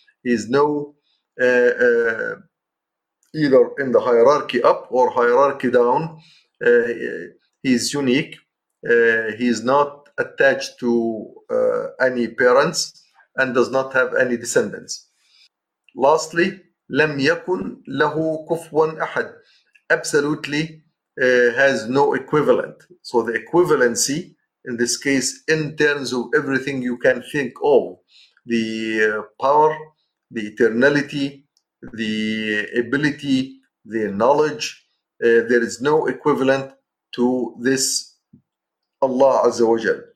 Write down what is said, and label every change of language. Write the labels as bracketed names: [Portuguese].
[English] He is no either in the hierarchy up or hierarchy down. He is unique. He is not attached to any parents and does not have any descendants. Lastly, [Arabic] لم يكن له كفوا أحد. [English] Absolutely has no equivalent. So the equivalency in this case, in terms of everything you can think of, the power, the eternality, the ability, the knowledge, there is no equivalent to this Allah Azza wa Jal.